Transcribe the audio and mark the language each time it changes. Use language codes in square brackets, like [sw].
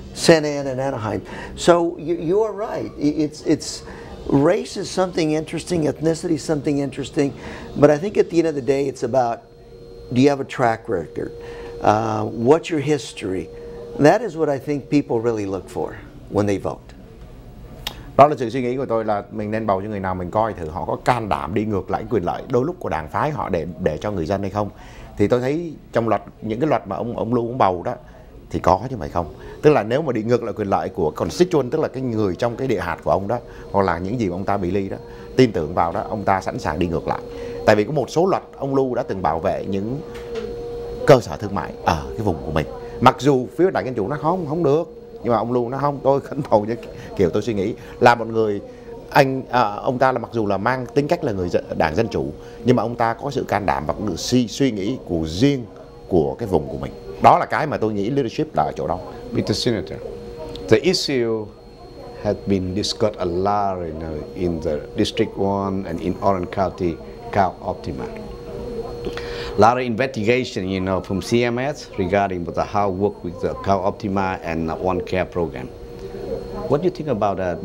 [en] Santa Ana and Anaheim. So you are right. It's race is something interesting, ethnicity is something interesting, but I think at the end of the day, it's about, do you have a track record? What's your history? And that is what I think people really look for when they vote. [vi] Đó là sự suy nghĩ của tôi là mình nên bầu cho người nào mình coi thử họ có can đảm đi ngược lại quyền lợi đôi lúc của đảng phái họ để cho người dân hay không. Thì tôi thấy trong luật, những cái luật mà ông Lưu ông bầu đó thì có chứ phải không? Tức là nếu mà đi ngược lại quyền lợi của constituent, tức là cái người trong cái địa hạt của ông đó, hoặc là những gì mà ông ta bị ly đó, tin tưởng vào đó, ông ta sẵn sàng đi ngược lại. Tại vì có một số luật ông Lưu đã từng bảo vệ những cơ sở thương mại ở cái vùng của mình. Mặc dù phía đại dân chủ nó không được, nhưng mà ông Lưu nó không, tôi khấn thầu như kiểu tôi suy nghĩ là một người anh ông ta là mặc dù là mang tính cách là người đảng dân chủ, nhưng mà ông ta có sự can đảm và cũng được suy nghĩ của riêng của cái vùng của mình. Đó là cái mà tôi nghĩ leadership là ở chỗ đó. [en] Mr. Senator, the issue had been discussed a lot in the District 1 and in Orange County Cal Optimal. Lot of investigation, you know, from CMS regarding the how work with the Cal Optima and the One Care program. What do you think about that?